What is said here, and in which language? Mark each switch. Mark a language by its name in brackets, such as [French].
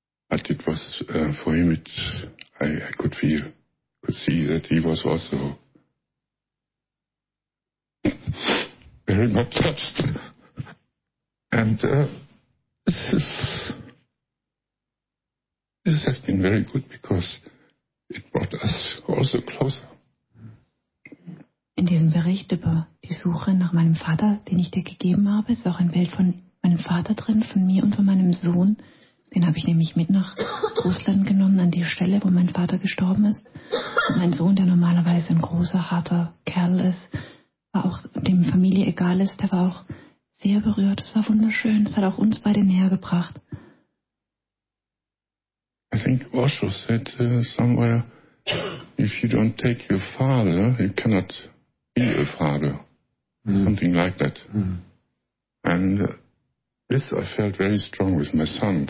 [English] But it was for him. I could see that he was also very much touched, and this has been very good because. It brought us also closer. [German] In diesem Bericht über die Suche nach meinem Vater, den ich dir gegeben habe, ist auch ein Bild von meinem Vater drin, von mir und von meinem Sohn. Den habe ich nämlich mit nach Russland genommen, an die Stelle, wo mein Vater gestorben ist. Und mein Sohn, der normalerweise ein großer, harter Kerl ist, war auch dem Familie egal ist, der war auch sehr berührt. Es war wunderschön. Es hat auch uns beide näher gebracht. [English] I think Osho said somewhere, if you don't take your father, you cannot be a father. Mm. Something like that. Mm. And this I felt very strong with my son.